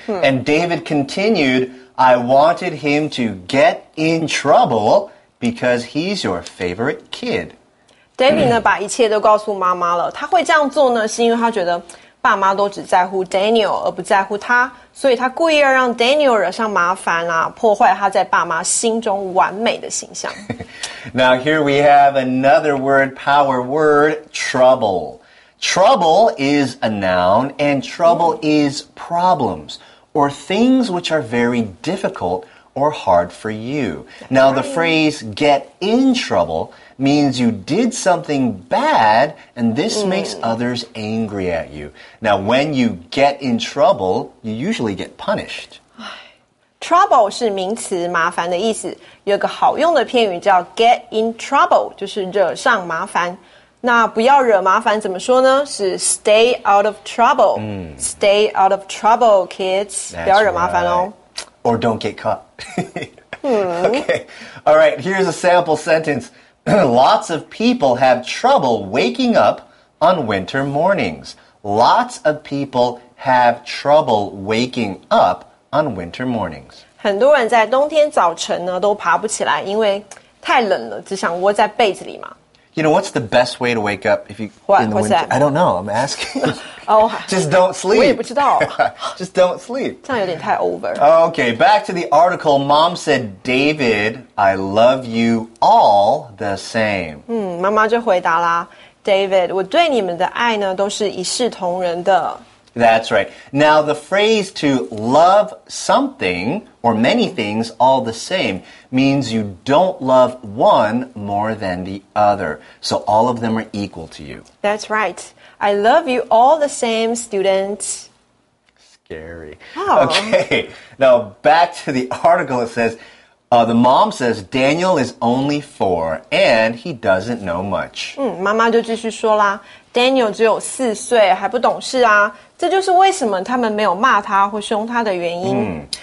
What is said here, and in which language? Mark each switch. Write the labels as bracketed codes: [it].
[en] And David continued, I wanted him to get in trouble because he's your favorite kid. [zh] David 呢把一切都告诉妈妈了。他会这样做呢是因为他觉得爸妈都只在乎 Daniel 而不在乎他所以他故意要让 Daniel 惹上麻烦啊破坏他在爸妈心中完美的形象。 [en] Now here we have another word, power word, trouble. Trouble is a noun and trouble is problems or things which are very difficult or hard for you. Now the phrase get in trouble means you did something bad and this makes others angry at you. Now when you get in trouble, you usually get punished. [zh] Trouble 是名词麻烦的意思。有个好用的片语叫 get in trouble, 就是惹上麻烦。那不要惹麻烦怎么说呢是 stay out of trouble. [en] Stay out of trouble, kids. 不要惹麻烦哦。 Or don't get caught. Okay. All right. Here's a sample sentence. Lots of people have trouble waking up on winter mornings. Lots of people have trouble waking up on winter mornings. [zh] 很多人在冬天早晨呢都爬不起来因为太冷了只想窝在被子里嘛。 [en] You know, what's the best way to wake up if you... What? In the what's winter? That? I don't know. I'm asking. Oh, just don't sleep. [zh] 我也不知道。 [en] Just don't sleep. [zh] 这样有点太 over. [en] Okay, back to the article. Mom said, David, I love you all the same. [zh] 妈妈就回答啦。David, 我对你们的爱呢都是一视同仁的。 [en] That's right. Now, the phrase to love something or many things all the same means you don't love one more than the other. So, all of them are equal to you. That's right. I love you all the same, students. Scary. Oh. Okay. Now, back to the article. It says, the mom says, Daniel is only four and he doesn't know much. [zh] 妈妈就继续说啦。 Daniel 只有四岁还不懂事啊这就是为什么他们没有骂他或凶他的原因。